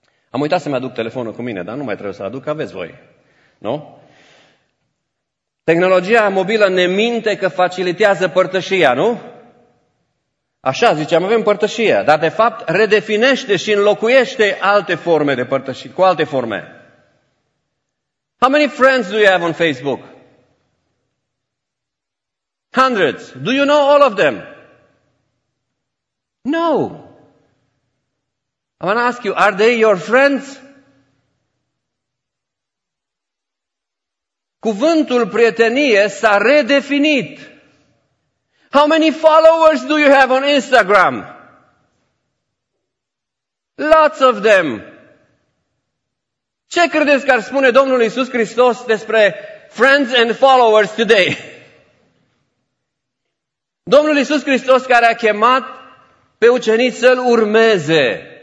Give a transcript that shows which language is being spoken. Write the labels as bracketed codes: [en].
[ro] Am uitat să-mi aduc telefonul cu mine, dar nu mai trebuie să-l aduc, aveți voi. Nu? Tehnologia mobilă ne minte că facilitează părtășia, nu? Așa ziceam, avem părtășia, dar de fapt redefinește și înlocuiește alte forme de părtășie, cu alte forme. [en] How many friends do you have on Facebook? Hundreds. Do you know all of them? No. I want to ask you, are they your friends? [ro] Cuvântul prietenie s-a redefinit. How many followers do you have on Instagram? Lots of them. Ce credeți că ar spune Domnul Iisus Hristos despre [en] friends and followers today? [ro] Domnul Iisus Hristos care a chemat pe ucenici să-L urmeze.